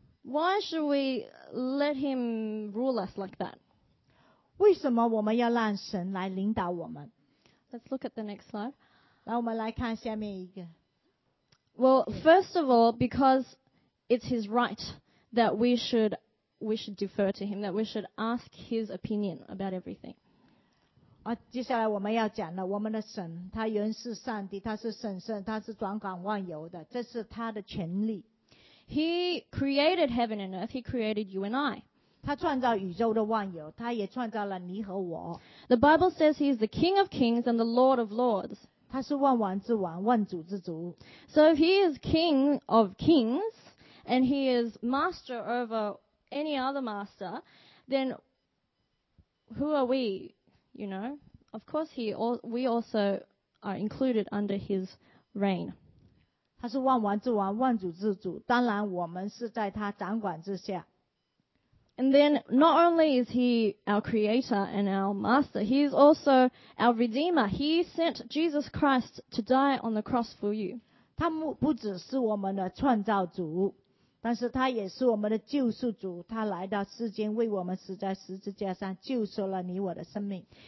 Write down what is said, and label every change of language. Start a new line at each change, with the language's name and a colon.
English: Why should we let him rule us like that?
Chinese: 为什么我们要让神来领导我们？
English: Let's look at the next slide.
Chinese: 来，我们来看下面一个。
English: Well, first of all, because it's his right that we should defer to him, that we should ask his opinion about everything.
Chinese: 啊，接下来我们要讲了，我们的神，他原是上帝，他是神圣，他是掌管万有的，这是他的权利。
English: He created heaven and earth. He created you and I.
Chinese: 他创造宇宙的万有，他也创造了你和我。
English: The Bible says he is the King of kings and the Lord of lords.
Chinese: 他是万王之王，万主之主。
English: So if he is King of kings and he is master over any other master, then who are we? You know, of course, we also are included under his reign.
Chinese: 他是万王之王，万主之主。当然，我们是在他掌管之下。
English: And then, not only is he our creator and our master, he is also our redeemer. He sent Jesus Christ to die on the cross for you.
Chinese: 他不只是我们的创造主，但是他也是我们的救赎主，他来到世间为我们死在十字架上，救赎了你我的生命。